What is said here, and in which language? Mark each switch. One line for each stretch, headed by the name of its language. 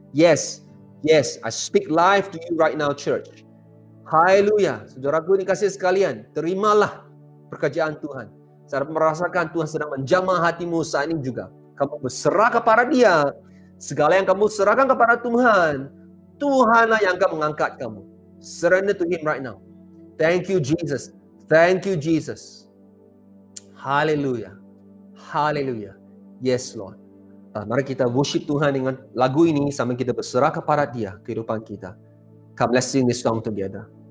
English: Yes, yes, I speak life to you right now, church.
Malay: Haleluya. Saudaraku dikasih sekalian, terimalah pekerjaan Tuhan. Saya merasakan Tuhan sedang menjamah hatimu saat ini juga. Kamu berserah kepada Dia. Segala yang kamu serahkan kepada Tuhan, Tuhanlah yang akan mengangkat kamu.
English: Surrender to Him right now. Thank you, Jesus. Thank you, Jesus. Haleluya. Haleluya. Yes, Lord.
Malay: Mari kita worship Tuhan dengan lagu ini sambil kita berserah kepada Dia, kehidupan kita.
English: God bless you in this song together.